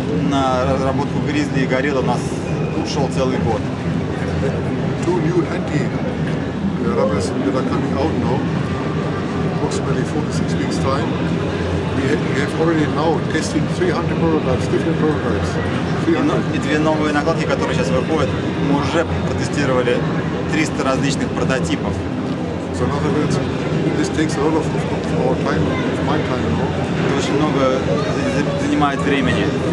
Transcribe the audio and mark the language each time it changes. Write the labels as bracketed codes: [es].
[ru] на разработку Grizzly и Gorilla у нас ушел целый год. [en] Two new anti-rubbers that are coming out now, approximately 4-6 weeks time. We have already now testing 300 prototypes, different prototypes. 300. [ru] И две новые накладки, которые сейчас выходят, мы уже протестировали 300 различных прототипов. [en] So in other words, this takes a lot of our time, of my time. [ru] Это очень много занимает времени.